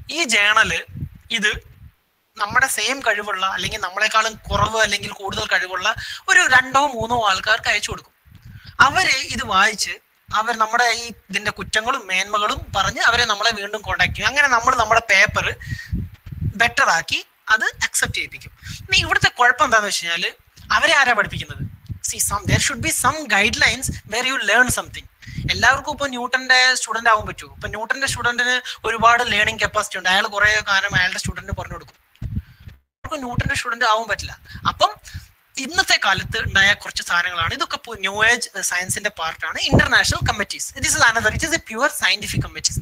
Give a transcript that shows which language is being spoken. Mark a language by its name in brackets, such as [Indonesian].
[Malayalam] ഈ ജേണല് ഇത് നമ്മുടെ സെയിം കഴിവുള്ള അല്ലെങ്കിൽ നമ്മളെക്കാളും കുറവ് അല്ലെങ്കിൽ കൂടുതൽ കഴിവുള്ള ഒരു രണ്ടോ മൂന്നോ ആൾക്കാർക്ക് അയച്ചു കൊടുക്കും. അവരെ ഇത് വായിച്ച് അവർ നമ്മുടെ ഈ ഇതിന്റെ കുറ്റങ്ങളും മേന്മകളും പറഞ്ഞ് അവരെ നമ്മളെ വീണ്ടും കോണ്ടാക്ട് ചെയ്യും. അങ്ങനെ നമ്മൾ നമ്മുടെ പേപ്പർ ബെറ്റർ ആക്കി അത് അക്സെപ്റ്റ് ചെയ്യിപ്പിക്കും. ഇനി ഇവിടുത്തെ കുഴപ്പം എന്താന്ന് വെച്ച് കഴിഞ്ഞാൽ, അവരെ ആരാ പഠിപ്പിക്കുന്നത്? [English] See, there should be some guidelines where you learn something. [Malayalam] എല്ലാവർക്കും ഇപ്പൊ ന്യൂട്ടന്റെ സ്റ്റുഡന്റ് ആകാൻ പറ്റുമോ? ഇപ്പൊ ന്യൂട്ടന്റെ സ്റ്റുഡന്റിന് ഒരുപാട് ലേണിംഗ് കപ്പാസിറ്റി ഉണ്ട്, അയാൾ കുറെ കാലം അയാളുടെ സ്റ്റുഡന്റ് പറഞ്ഞു കൊടുക്കും, അവർക്ക് ന്യൂട്ടന്റെ സ്റ്റുഡന്റ് ആവാൻ പറ്റില്ല. അപ്പം ഇന്നത്തെ കാലത്ത് ഉണ്ടായ കുറച്ച് സാധനങ്ങളാണ്, ഇതൊക്കെ ന്യൂ ഏജ് സയൻസിന്റെ പാർട്ടാണ്. [English] International committees, this is another, it is a pure scientific committees.